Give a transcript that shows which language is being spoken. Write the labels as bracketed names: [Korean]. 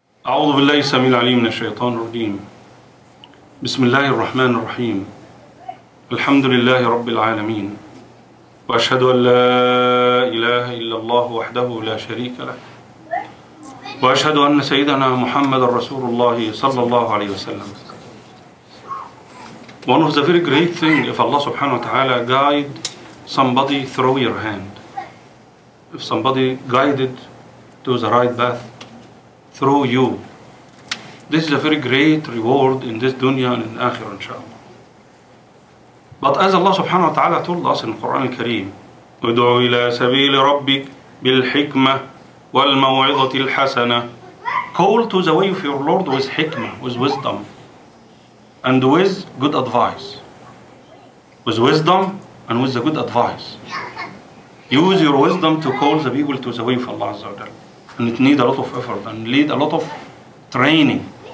[Arabic] أعوذ بالله السميع العليم من الشيطان الرجيم. بسم الله الرحمن الرحيم. الحمد لله رب العالمين، وأشهد أن لا إله إلا الله وحده لا شريك له، وأشهد أن سيدنا محمد رسول الله صلى الله عليه وسلم. [English] One of the very great thing if Allah subhanahu wa ta'ala guide somebody through your hand. If somebody guided to the right path through you. This is a very great reward in this dunya and in akhirah inshaAllah. But as Allah subhanahu wa ta'ala told us in the Quran al-Kareem, [Arabic] ادعو إلى سبيل ربك بالحكمة والموعظة الحسنة. [English] Call to the way of your Lord with hikmah, with wisdom, and with good advice. With wisdom and with the good advice. Use your wisdom to call the people to the way of Allah Azza wa Jalla. And it needs a lot of effort and need a lot of training.